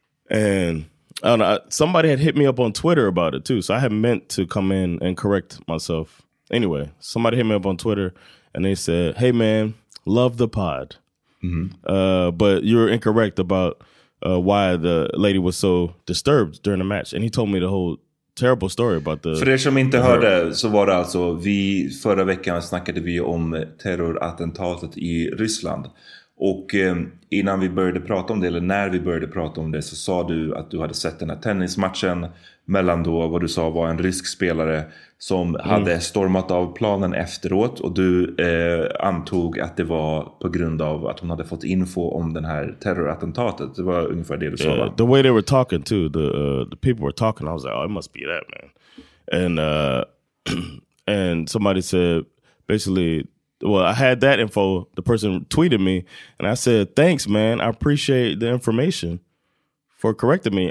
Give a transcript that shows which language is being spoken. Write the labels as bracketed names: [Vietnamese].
[English] And I don't know, somebody had hit me up on Twitter about it too, so I had meant to come in and correct myself. Anyway, somebody hit me up on Twitter, and they said, hey man, love the pod. Mm-hmm. But you're incorrect about why the lady was so disturbed during the match. And he told me the whole terrible story about the... [Swedish] För er som inte hörde, så var det alltså, förra veckan snackade vi om terrorattentatet i Ryssland. Och innan vi började prata om det, eller när vi började prata om det, så sa du att du hade sett den här tennismatchen mellan då, vad du sa var en rysk spelare som hade stormat av planen efteråt. Och du antog att det var på grund av att hon hade fått info om den här terrorattentatet. Det var ungefär det du sa. [English] The way they were talking too, the people were talking, I was like, oh, it must be that man. And somebody said, basically... Well, I had that info. The person tweeted me, and I said, thanks, man. I appreciate the information for correcting me.